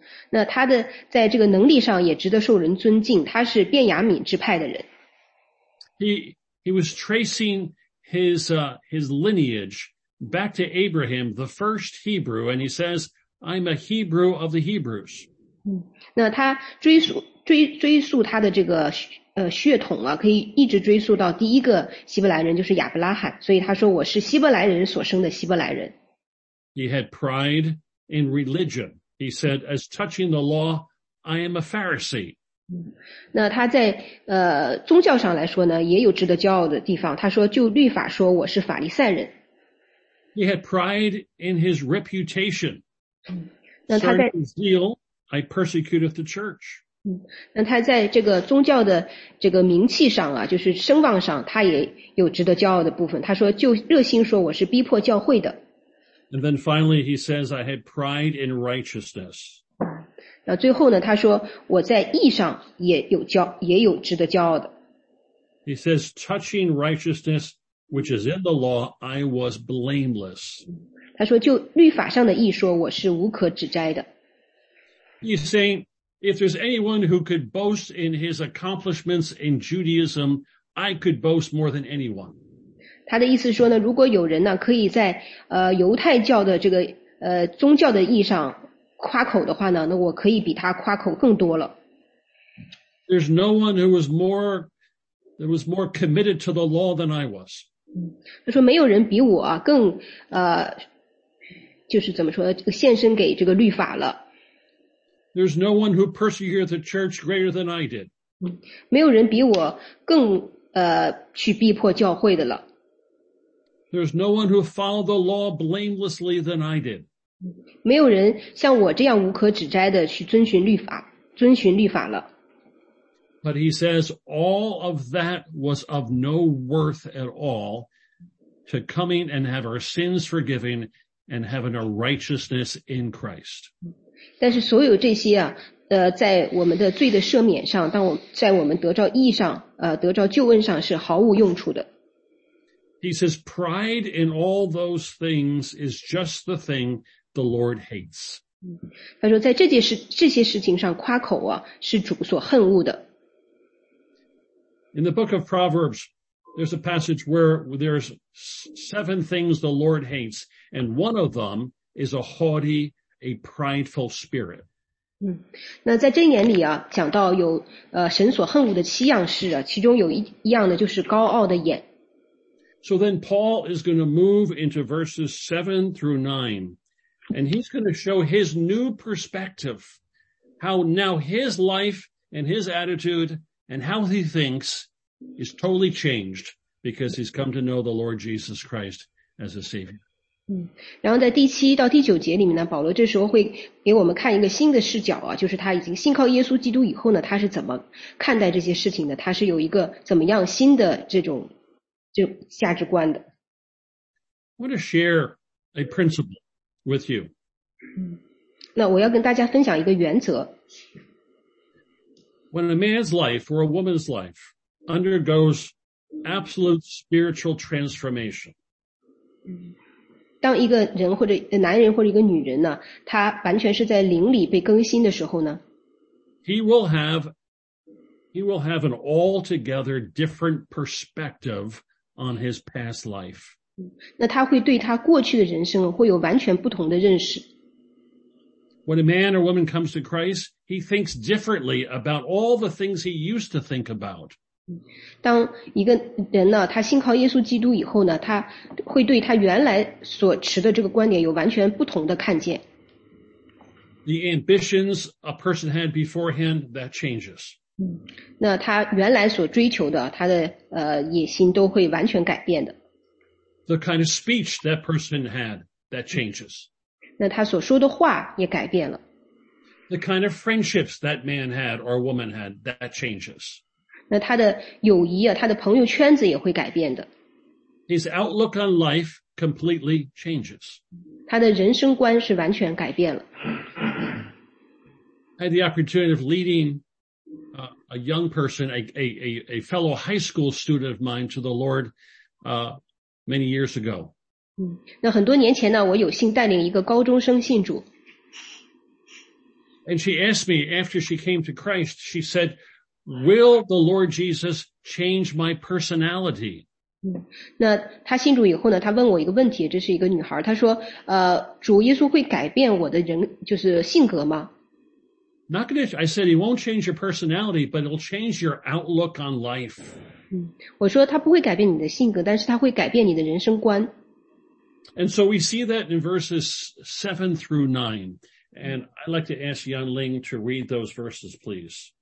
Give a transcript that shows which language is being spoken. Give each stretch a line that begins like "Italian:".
Chinese: 那他的在这个能力上也值得受人尊敬，他是便雅悯支派的人。
English: He was tracing his lineage back to Abraham, the first Hebrew, and he says, I'm a Hebrew of the Hebrews.
Chinese: 那他追溯他的这个血统啊，可以一直追溯到第一个希伯来人，就是亚伯拉罕。所以他说，我是希伯来人所生的希伯来人。
English: He had pride in religion. He said, as touching the law, I am a Pharisee.
Chinese: 那他在宗教上来说呢，也有值得骄傲的地方。他说，就律法说，我是法利赛人。
English: He had pride in his reputation.
Chinese: 那他在
English: Certain zeal, I persecuted the church.
Chinese: 那他在这个宗教的这个名气上啊，就是声望上，他也有值得骄傲的部分。他说，就热心说，我是逼迫教会的。
English: And then finally, he says, I had pride in righteousness.
Chinese: 那最后呢，他说，我在义上也有值得骄傲的。
English: He says, touching righteousness, which is in the law, I was blameless.
Chinese: 他说，就律法上的义说，我是无可指摘的。
English: He's saying, if there's anyone who could boast in his accomplishments in Judaism, I could boast more than anyone.
Chinese: 他的意思说呢，如果有人呢可以在犹太教的这个宗教的意义上夸口的话呢，那我可以比他夸口更多了。
English: There's no one who was more committed to the law than I was.
Chinese: 他说没有人比我更就是怎么说，献身给这个律法了。
English: There's no one who persecuted the church greater than I did.
Chinese: 没有人比我更去逼迫教会的了。
English: There's no one who followed the law blamelessly than I did.
Chinese: 没有人像我这样无可指摘的去遵循律法了。
English: But he says all of that was of no worth at all to coming and have our sins forgiven and having a righteousness in Christ.
Chinese: 但是所有这些啊，在我们的罪的赦免上，在我们得着义上，得着救恩上是毫无用处的。
English: He says, "Pride in all those things is just the thing the Lord hates."
Chinese: 他说，在这些事情上夸口啊，是主所恨恶的。
English: In the book of Proverbs, there's a passage where there's seven things the Lord hates, and one of them is a haughty. A prideful spirit.
Chinese: 那在箴言里啊，讲到有神所恨恶的七样事啊，其中有一样呢，就是高傲的眼。
English: So then Paul is going to move into verses 7-9, and he's going to show his new perspective, how now his life and his attitude and how he thinks is totally changed because he's come to know the Lord Jesus Christ as a Savior.
Chinese: 然后在第七到第九节里面呢，保罗这时候会给我们看一个新的视角啊，就是他已经信靠耶稣基督以后呢，他是怎么看待这些事情的，他是有一个怎么样新的这种价值观的。
English: I want to share a principle with you.
Chinese: 那我要跟大家分享一个原则。
English: When a man's life or a woman's life undergoes absolute spiritual transformation,
Chinese: 当一个人或者男人或者一个女人呢，他完全是在灵里被更新的时候呢，
English: He will have an altogether different perspective on his past life.
Chinese: 那他会对他过去的人生会有完全不同的认识。
English: When a man or woman comes to Christ, he thinks differently about all the things he used to think about.
Chinese: 当一个人呢，他信靠耶稣基督以后呢，他会对他原来所持的这个观点有完全不同的看见。
English: The ambitions a person had beforehand, that changes.
Chinese: 那他原来所追求的，他的野心都会完全改变的。
English: The kind of speech that person had, that changes.
Chinese: 那他所说的话也改变了。
English: The kind of friendships that man had or woman had, that changes.
Chinese: 那他的友谊啊，他的朋友圈子也会改变的。
English: His outlook on life completely changes.
Chinese: 他的人生观是完全改变了。
English: I had the opportunity of leading a young person, a fellow high school student of mine to the Lord many years ago.
Chinese: 那很多年前呢，我有幸带领一个高中生信主。
English: And she asked me after she came to Christ, she said, will the Lord Jesus change my personality?
Chinese: 那她信主以后呢,她问我一个问题, 这是一个女孩,她说, 主耶稣会改变我的人,就是性格吗?
English: Not gonna, I said, he won't change your personality, but it'll change your outlook on life.
Chinese: 我说他不会改变你的性格,但是他会改变你的人生观。
English: And so we see that in verses 7 through 9. And I'd like to ask Yan Ling to read those verses, please.